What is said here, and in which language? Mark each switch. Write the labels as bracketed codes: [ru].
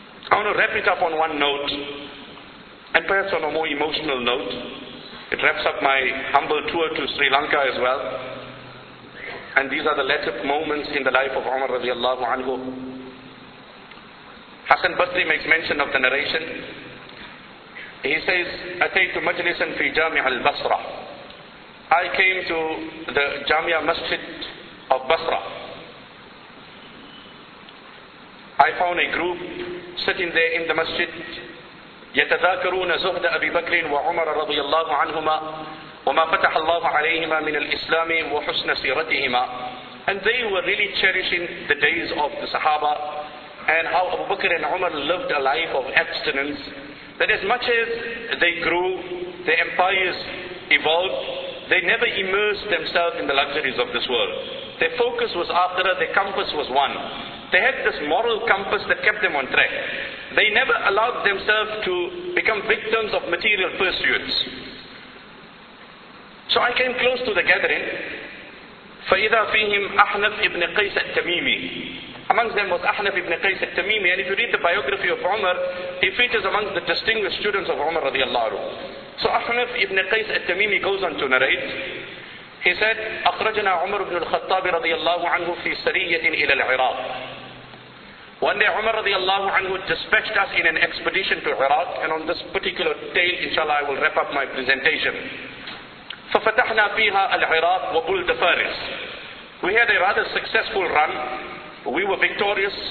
[en] I want to wrap it up on one note, and perhaps on a more emotional note. It wraps up my humble tour to Sri Lanka as well. And these are the latter moments in the life of Umar radiallahu anhu. Hassan Basri makes mention of the narration. He says, [ar] أتيت مجلسا في جامع البصرة. [en] I came to the Jamia Masjid of Basra. I found a group sitting there in the masjid [ar] يتذاكرون زهد أبي بكر وعمر رضي الله عنهما وما فتح الله عليهما من الإسلام وحسن سيرتهما. [en] And they were really cherishing the days of the Sahaba and how Abu Bakr and Umar lived a life of abstinence. That as much as they grew, their empires evolved, they never immersed themselves in the luxuries of this world. Their focus was akhirah, their compass was one. They had this moral compass that kept them on track. They never allowed themselves to become victims of material pursuits. So I came close to the gathering. [ar] فَإِذَا فِيهِمْ أَحْنَفْ إِبْنِ قَيْسَ التَّمِيمِ. [en] Amongst them was Ahnaf ibn Qays al-Tamimi. And if you read the biography of Umar, he features amongst the distinguished students of Umar radiallahu anhu. So Ahnaf ibn Qays al-Tamimi goes on to narrate. He said, [ar] أَخْرَجَنَا عُمَرُ بْنُ الْخَطَّابِ رَضِيَ عَنْهُ فِي سَرِيَّةٍ إِلَى الْعِرَاقِ. [en] One day Umar radiallahu anhu dispatched us in an expedition to Iraq. And on this particular tale, inshallah, I will wrap up my presentation. [ar] فَفَتَحْنَا فِيهَا الْعِرَاقِ وَبُلْدَ فَارِسِ. [en] We had a rather successful run. We were victorious.